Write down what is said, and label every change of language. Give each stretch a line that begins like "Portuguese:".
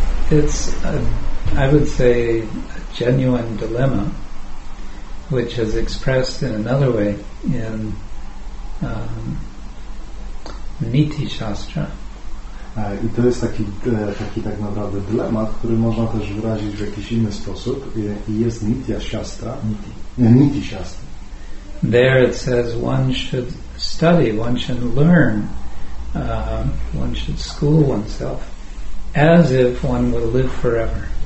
English: It's a genuine dilemma, which is expressed in another way in Niti Shastra.
Polish: I to jest taki, taki tak naprawdę dylemat, który można też wyrazić w jakiś inny sposób. I jest Nitya siastra. Niti siastra.
English: There it says one should study, one should learn, one should school oneself as if one will live forever.